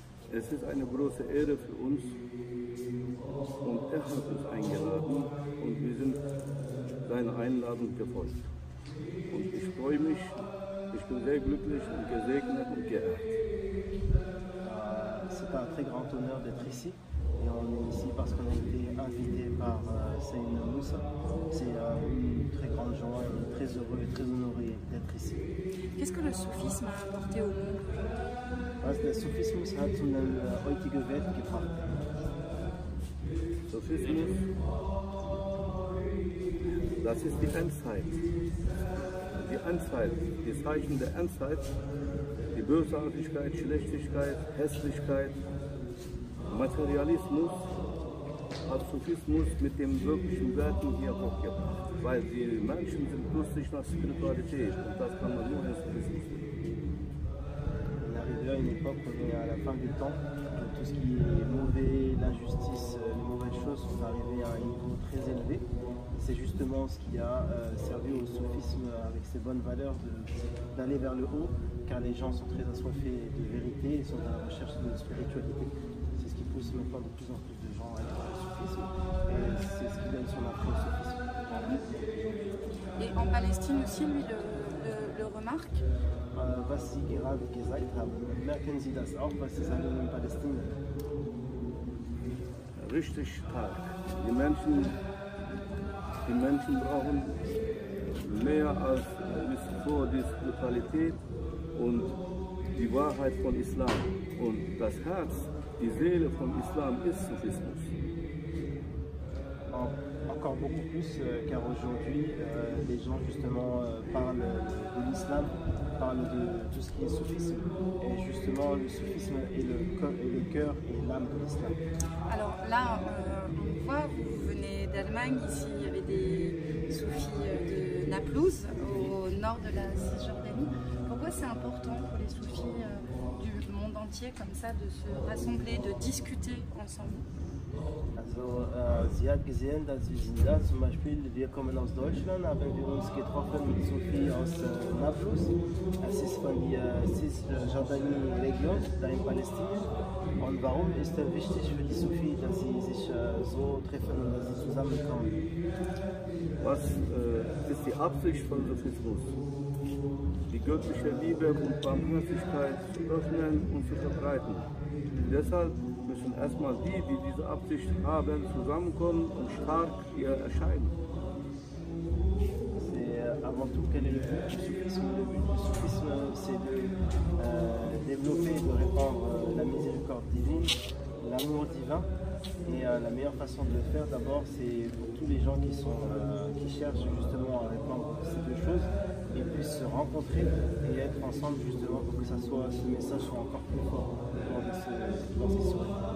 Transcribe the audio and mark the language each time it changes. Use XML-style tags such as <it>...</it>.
<de>Es ist eine große Ehre für uns und er hat uns eingeladen und wir sind seiner Einladung gefolgt. Und ich freue mich, ich bin sehr glücklich und gesegnet und geehrt.</de> <fr>C'est un très grand honneur d'être ici. Et on est ici parce qu'on a été invité par Seyna Moussa. C'est une très grande joie, on est très heureux et très honoré d'être ici. Qu'est-ce que le soufisme a apporté au monde?</fr> <de>Was der Sufismus hat in der heutigen Welt gebracht? Sufismus, das ist die Endzeit. Die Endzeit, die Zeichen der Endzeit, die Bösartigkeit, Schlechtigkeit, Hässlichkeit, Materialismus hat Sufismus mit den wirklichen Werten hier hochgebracht. Weil die Menschen sind lustig nach Spiritualität und das kann man nur als Sufismus sehen.</de> <fr>À une époque, on est à la fin du temps, tout ce qui est mauvais, l'injustice, les mauvaises choses sont arrivées à un niveau très élevé. C'est justement ce qui a servi au soufisme avec ses bonnes valeurs d'aller vers le haut, car les gens sont très assoiffés de vérité et sont à la recherche de spiritualité. C'est ce qui pousse maintenant de plus en plus de gens à être au soufisme et c'est ce qui donne son entrée au soufisme. Et en Palestine aussi, lui le remarque.</fr> <de>Was Sie gerade gesagt haben, merken Sie das auch, was Sie sagen in Palästina? Richtig stark. Die Menschen brauchen mehr als bis vor die Spiritualität und die Wahrheit von Islam. Und das Herz, die Seele von Islam ist Sufismus.</de> <fr>Encore beaucoup plus, car aujourd'hui, les gens justement parlent de l'islam, parlent de tout ce qui est soufisme. Et justement, le soufisme est le cœur et l'âme de l'islam. Alors là, on voit, vous venez d'Allemagne, ici il y avait des soufis de Naplouse, au nord de la Cisjordanie. Pourquoi c'est important pour les soufis du monde entier, comme ça, de se rassembler, de discuter ensemble?</fr> <de>Also sie hat gesehen, dass wir sind da, zum Beispiel wir kommen aus Deutschland, haben wir uns getroffen mit Sophie aus Nablus. Es ist von der Cisjordanie-Region, da in Palästina. Und warum ist es wichtig für die Sophie, dass sie sich so treffen und dass sie zusammenkommen? Was ist die Absicht von Sophismus? Die göttliche Liebe und Barmherzigkeit zu öffnen und zu verbreiten. Deshalb müssen erstmal die, die diese Absicht haben, zusammenkommen und stark hier erscheinen.</de> <fr>Avant tout, quel est le but du soufisme? Le but du soufisme, c'est de développer, de répandre la miséricorde divine, l'amour divin. Et la meilleure façon de le faire, d'abord, c'est pour tous les gens qui cherchent justement à répandre ces deux choses, et puissent se rencontrer et être ensemble justement pour que ça soit, ce message soit encore plus fort dans ces soirées.</fr>